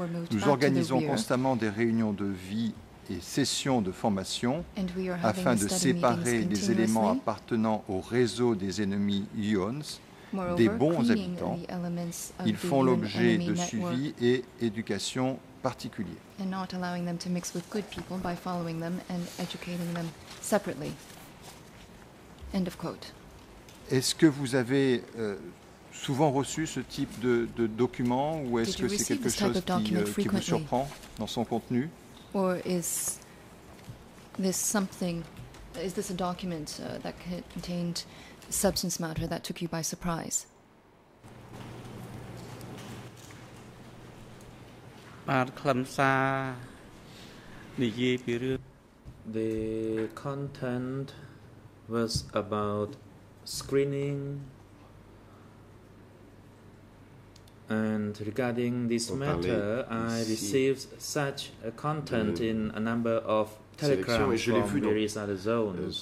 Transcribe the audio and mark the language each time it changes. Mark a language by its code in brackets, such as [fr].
[fr] Nous organisons constamment des réunions de vie et sessions de formation afin de séparer les éléments appartenant au réseau des ennemis Yuans des bons habitants. Ils font l'objet de suivi et éducation particulier. [en] And not allowing them to mix with good people by following them and educating them separately. End of quote. [fr] Est-ce que vous avez souvent reçu ce type de document ou est-ce que c'est quelque chose qui vous surprend dans son contenu? [en] Or is this something, is this a document that contained substance matter that took you by surprise? The content was about screening and regarding this matter, I received such a content in a number of telegrams from various other zones.